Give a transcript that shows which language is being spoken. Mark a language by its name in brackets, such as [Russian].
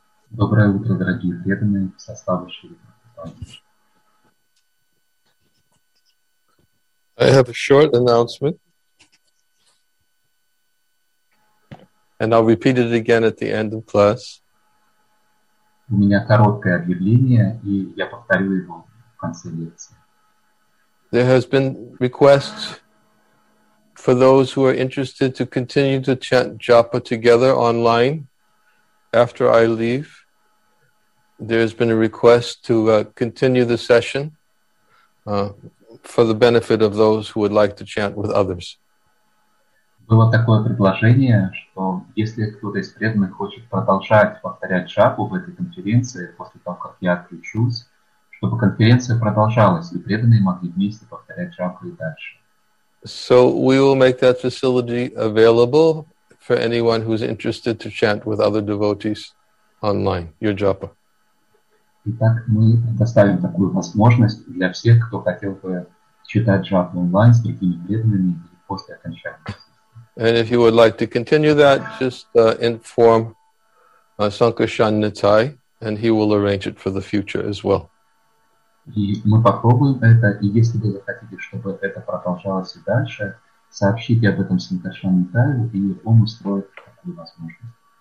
[Russian] Доброе утро, дорогие преданные составы Шри [English] I have a short announcement. And I'll repeat it again at the end of class. [Russian] У меня короткое объявление, и я повторю его в конце лекции. [English] There has been requests for those who are interested to continue to chant japa together online after I leave. There has been a request to continue the session for the benefit of those who would like to chant with others. [Russian] Было такое предложение, что если кто-то из преданных хочет продолжать повторять джапу в этой конференции после того, как я отключусь, чтобы конференция продолжалась, и преданные могли вместе повторять джапу и дальше. [English] So we will make that facility available for anyone who is interested to chant with other devotees online, your japa. [Russian] Итак, мы предоставим такую возможность для всех, кто хотел бы читать джапу онлайн с другими преданными после окончания. [English] And if you would like to continue that, just inform Sankarshan Nitai, and he will arrange it for the future as well. [Russian] И мы попробуем это, и если вы захотите, чтобы это продолжалось и дальше, сообщите об этом Сангаршану Таеву, и он устроит такую возможность.